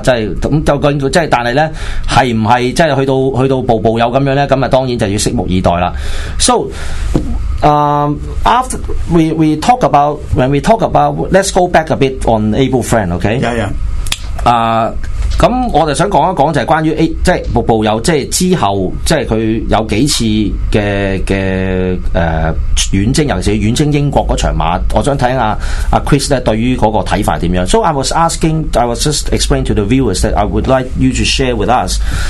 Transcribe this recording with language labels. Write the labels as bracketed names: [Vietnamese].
[Cantonese] 即系咁究竟即系，但系咧系唔系即系去到步步有咁样咧？咁啊，当然就要拭目以待啦。So。 [English] After we talk about when we talk about let's go back a bit on Able Friend, okay? Yeah, yeah. [Cantonese] 咁我就想讲一讲就係关于即係步步有即係之后即係佢有几次嘅远征，尤其是远征英国嗰场马，我想睇下阿 Chris 呢对于嗰个睇法点样。 [English] So I was just explaining to the viewers that I would like you to share with us.